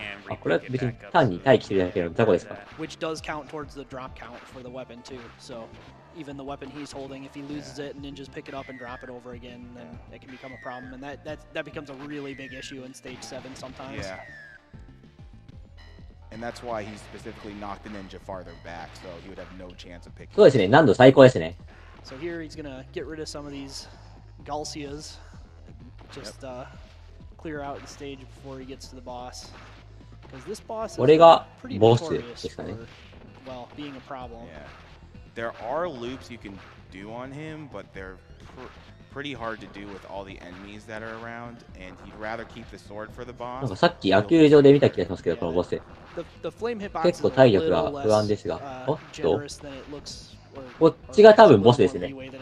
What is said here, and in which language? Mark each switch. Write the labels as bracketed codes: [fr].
[ja] あ、これは別に単に待機してるだけの雑魚ですか。 [en] Which does count towards the drop count for the weapon too. So even the weapon he's holding, if he loses it, ninjas pick it up and drop it over again, then it can become a problem. And that becomes a really big issue in stage 7 sometimes. Yeah. And that's why he specifically knocked the ninja farther back, so he would have no chance of picking. [ja] そうですね、難度最高ですね。 [en] So here he's gonna get rid of some of these Galcias, just clear out the stage before he gets to the boss. Because this boss is pretty notorious for, well, being a problem. Yeah. There are loops you can do on him, but they're pretty hard to do with all the enemies that are around, and he'd rather keep the sword for the boss. [ja] なんかさっき野球場で見た気がしますけど、このボス。結構体力が不安ですが、おっと。こっちが多分ボスですね。